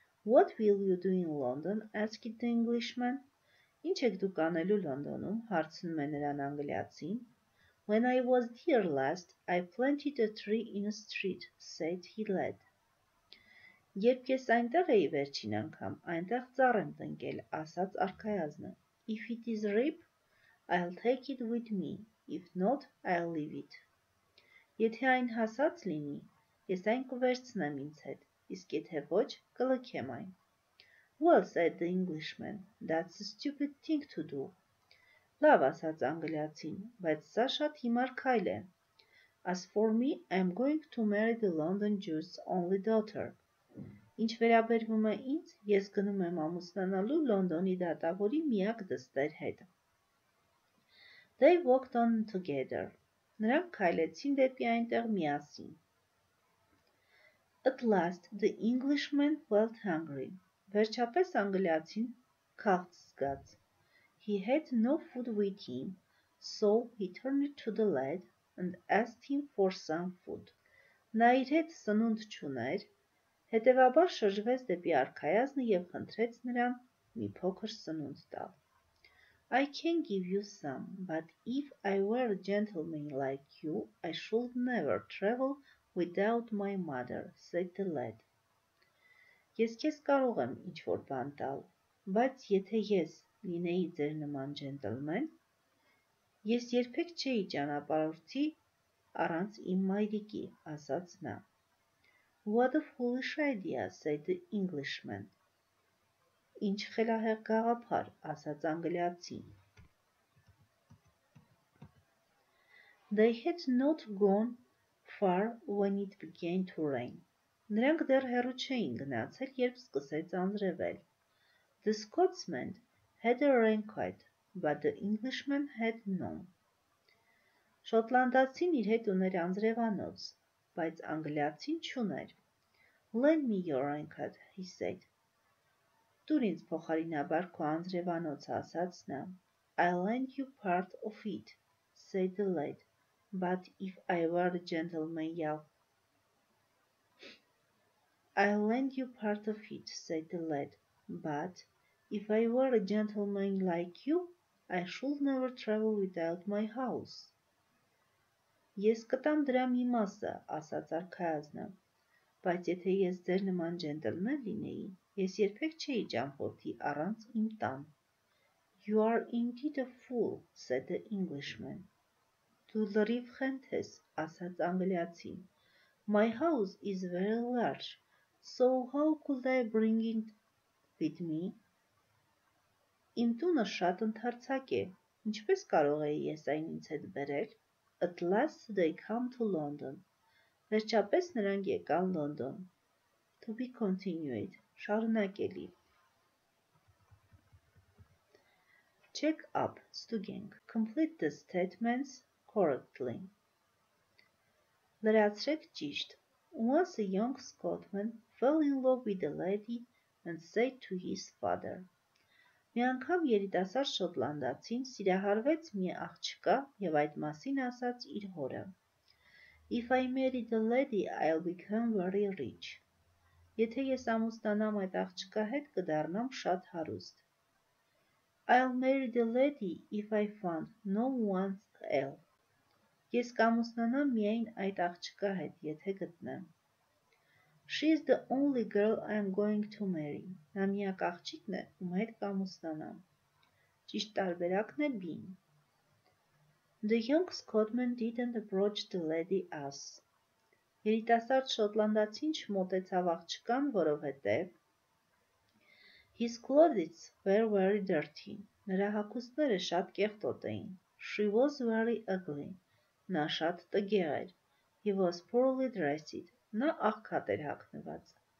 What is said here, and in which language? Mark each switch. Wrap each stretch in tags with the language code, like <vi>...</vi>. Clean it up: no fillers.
<en>What will you do in London? Asked the Englishman.</en> <hy>Ինչ եք դուք անելու Լոնդոնում? Հարցնում է նրան անգլիացին.</hy> <en>When I was here last, I planted a tree in a street, said he lad.</en> <hy>Երբ ես այնտեղ էի վերջին անգամ, այնտեղ ծառ եմ տնկել, ասաց արքայազնը.</hy> <en>If it is ripe, I'll take it with me. If not, I'll leave it.</en> <hy>Եթե այն հասած լինի, ես այն կվերցնեմ ինձ հետ, իսկ եթե ոչ, կլքեմ այն.</hy> <en>Well, said the Englishman, that's a stupid thing to do.</en> <hy>Լավ ասաց անգլիացին, բայց սա շատ հիմար քայլ է.</hy> <en>As for me, I'm going to marry the London Jew's only daughter.</en> <hy>Ինչ վերաբերվում է ինձ, ես գնում եմ ամուսնանալու Լոնդոնի դատավորի միակ դստեր հետ.</hy> <en>They walked on together.</en> <hy>Նրանք քայլեցին դեպի այնտեղ միասին.</hy> <en>At last, the Englishman felt hungry.</en> <hy>Վերջապես անգլիացին քաղց զգաց.</hy> <en>He had no food with him, so he turned to the lad and asked him for some food.</en> <hy>Նա իր հետ սնունդ չուներ, հետևաբար շրջվեց դեպի արքայազնը և խնդրեց նրան մի փոքր սնունդ տալ.</hy> <en>I can give you some, but if I were a gentleman like you, I should never travel without my mother, said the lad.</en> <hy>Ես քեզ կարող եմ ինչ-որ բան տալ, բայց եթե ես լինեի ձեր նման ջենտլմեն, ես երբեք չէի ճանապարհորդի առանց իմ մայրիկի, ասաց նա.</hy> <en>What a foolish idea, said the Englishman.</en> <hy>Ինչ խելահեղ գաղափար, ասաց անգլիացին.</hy> <en>They had not gone far when it began to rain.</en> <hy>Նրանք դեռ հեռու չէին գնացել, երբ սկսեց անձրևել.</hy> <en>The Scotsman had a raincoat, but the Englishman had none.</en> <hy>Շոտլանդացին իր հետ ուներ անձրևանոց, բայց անգլիացին չուներ.</hy> <en>Lend me your raincoat, he said.</en> <hy>Տուր ինձ փոխարինաբար քո անձրևանոց, ասաց նա.</hy> <en>I'll lend you part of it, said the lad, but if I were a gentleman, like you, I should never travel without my house.</en> <hy>Ես կտամ դրա մի մասը, ասաց արքայազնը, բայց եթե ես ձեր նման ջենտլմեն լինեի, ես երբեք չէի ճամփորդի առանց իմ տան.</hy> <en>You are indeed a fool, said the Englishman.</en> <hy>Դու լրիվ խենթ ես, ասաց անգլիացին.</hy> <en>My house is very large, so how could I bring it with me?</en> <hy>Իմ տունը շատ ընդարձակ է, ինչպես կարող էի ես այն ինձ հետ բերել?</hy> <en>At last they come to London.</en> <hy>Վերջապես նրանք եկան Լոնդոն.</hy> <en>To be continued.</en> <hy>Շարունակելի.</hy> <en>Check up,</en> <hy>ստուգենք.</hy> <en>Complete the statements correctly.</en> <hy>Լրացրեք ճիշտ.</hy> <en>Once a young Scotsman fell in love with a lady and said to his father.</en> <hy>Մի անգամ երիտասարդ շոտլանդացին սիրահարվեց մի աղջկա և այդ մասին ասաց իր հորը.</hy> <en>If I marry the lady, I'll become very rich.</en> <hy>Եթե ես ամուսնանամ այդ աղջկա հետ, կդառնամ շատ հարուստ.</hy> <en>I'll marry the lady if I find no one else.</en> <hy>Ես կամուսնանամ միայն այդ աղջկա հետ, եթե գտնեմ.</hy> <en>She is the only girl I'm going to marry.</en> <hy>Նա միակ աղջիկն է, ում հետ կամուսնանամ. Ճիշտ տարբերակն է B-ն.</hy> <en>The young Scotsman didn't approach the lady as.</en> <hy>Երիտասարդ շոտլանդացին չմոտեցավ աղջկան, որովհետև</hy> <en>his clothes were very dirty.</en> <hy>Նրա հագուստները շատ կեղտոտ էին.</hy> <en>She was very ugly.</en> <hy>Նա շատ տգեղ էր. He was poorly dressed. Նա աղքատ էր հագնված.</hy>